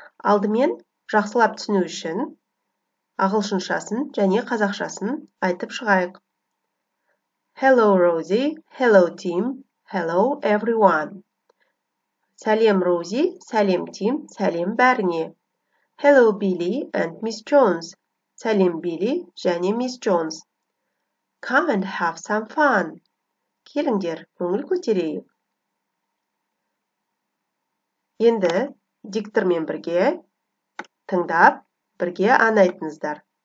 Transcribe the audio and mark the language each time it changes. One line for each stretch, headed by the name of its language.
Kazakh: Алдымен жақсылап түсіну үшін ағылшыншасын және қазақшасын айтып шығайық.
English: Hello, Rosie. Hello, Tim. Hello, everyone.
Kazakh: Сәлем,
English: Rosie.
Kazakh: Сәлем, Tim. Сәлем бәріне.
English: Hello, Billy and Miss Jones.
Kazakh: Сәлем, Billy және Miss Jones.
English: Come and have some fun.
Kazakh: Келіңдер, көңіл көтерейік. Енді диктормен бірге тыңдап, бірге ән айтыңыздар.